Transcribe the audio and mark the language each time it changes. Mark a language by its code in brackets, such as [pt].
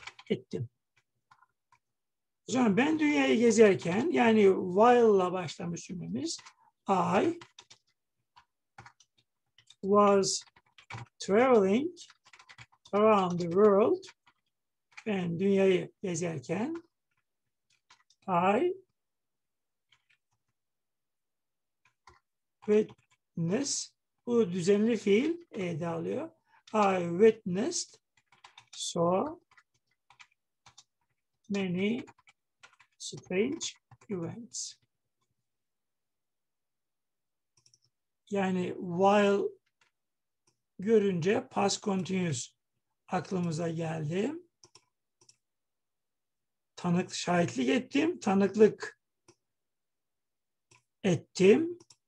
[tr] ettim. Hocam ben dünyayı gezerken, yani while'la başlamış cümlemiz, [en] I was traveling around the world. [tr] Ben dünyayı gezerken, [en] I witnessed, [tr] bu düzenli fiil ede alıyor. [en] I witnessed, saw many strange events. [tr] Yani while görünce past continuous aklımıza geldi. Tanık, şahitlik ettim, tanıklık ettim.